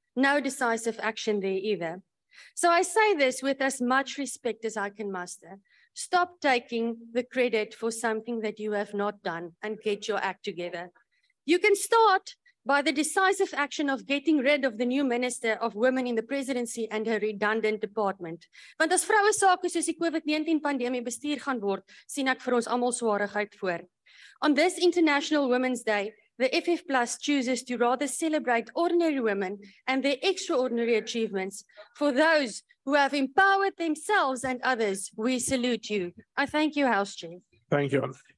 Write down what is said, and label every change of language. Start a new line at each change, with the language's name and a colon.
English: No decisive action there either. So I say this with as much respect as I can muster. Stop taking the credit for something that you have not done and get your act together. You can start by the decisive action of getting rid of the new Minister of Women in the Presidency and her redundant department.
Afrikaans: Want as vroue sake soos die COVID-19 pandemie bestuur gaan word, sien ek vir ons almal swaarigheid voor.
English: On this International Women's Day, the FF Plus chooses to rather celebrate ordinary women and their extraordinary achievements. For those who have empowered themselves and others, we salute you. I thank you, House Chair. Thank you.